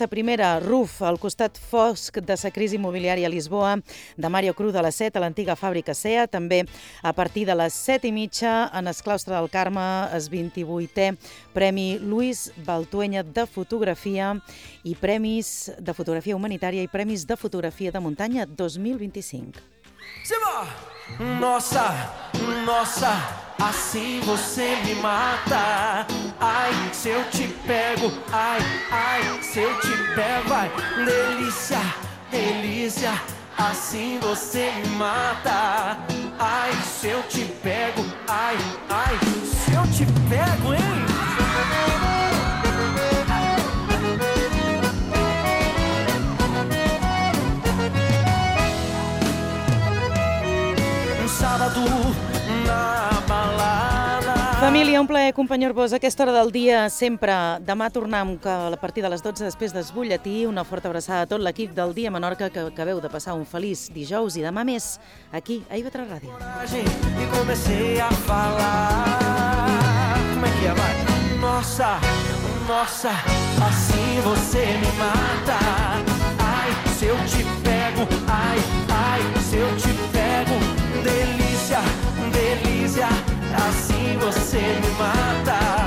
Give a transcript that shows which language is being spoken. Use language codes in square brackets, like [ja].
[ca] La primera, Ruf, al costat fosc de la crisi immobiliària a Lisboa, de Mario Cruz de la Set, a l'antiga fàbrica SEA. També, a partir de les 7:30, en el claustre del Carme, el 28è Premi Luis Baltueña de Fotografia i Premis de Fotografia Humanitària i Premis de Fotografia de Muntanya 2025. Se va! [pt] Nossa, nossa, assim você me mata. Ai, se eu te pego, ai, ai, se eu te pego, ai. Delícia, delícia, assim você me mata. Ai, se eu te pego, ai, ai, se eu te pego, hein? [ca] Família, un plaer acompanyar-vos a aquesta hora del dia, sempre. Demà tornem que a partir de les 12, després del butlletí, una forta abraçada a tot l'equip del Dia Menorca que acabeu de passar un feliç dijous i demà més, aquí, a Ivetra Ràdio. [pt] I comecei a falar. [ca] Com aquí, [pt] nossa, nossa, assim você me mata. Ai, se eu te pego, ai, ai, se eu te pego. Delícia, delícia, assim você me mata.